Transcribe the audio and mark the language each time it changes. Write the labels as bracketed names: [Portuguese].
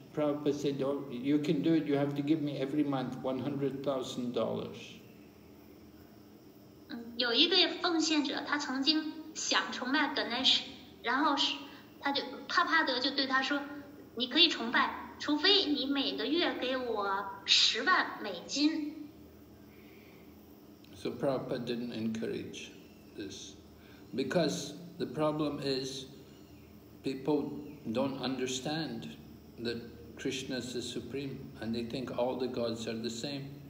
[English] Prabhupada said, "Oh, you can do it. You have to give me every month $100,000." [Chinese] 有一个奉献者，他曾经想崇拜 Ganesh， 然后他就帕帕德就对他说，你可以崇拜，除非你每个月给我$100,000。 [English] So Prabhupada didn't encourage this, because the problem is people don't understand that Krishna is the supreme, and they think all the gods are the same.